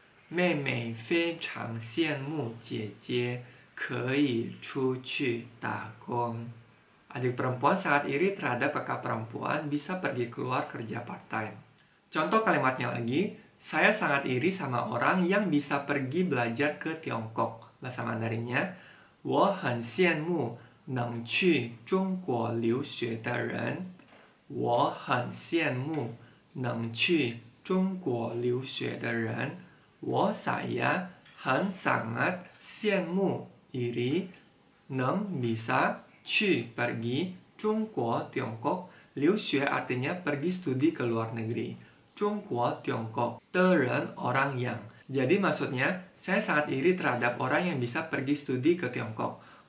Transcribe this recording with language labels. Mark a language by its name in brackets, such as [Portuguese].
[Chinese] Mei Mei fei chang xian mu jie jie ke yi chu qu da gong. [Indonesian] Adik perempuan sangat iri terhadap kakak perempuan bisa pergi keluar kerja part-time. Contoh kalimatnya lagi, saya sangat iri sama orang yang bisa pergi belajar ke Tiongkok. Bahasa Mandarinnya, [Chinese] 我很羡慕能去中国留学的人。我很羡慕能去中国留学的人。我 [Indonesian] saya [Chinese] 很 [Indonesian] sangat [Chinese] 羡慕 [Indonesian] iri [Chinese] 能 [Indonesian] bisa [Chinese] 去 [Indonesian] pergi [Chinese] 中国 [Indonesian] Tiongkok [Chinese] 留学 [Indonesian] artinya pergi studi ke luar negeri. [Chinese] 中国, [Indonesian] Tiongkok, [Chinese] 的人, [Indonesian] orang yang. Jadi maksudnya, saya sangat iri terhadap orang yang bisa pergi studi ke Tiongkok.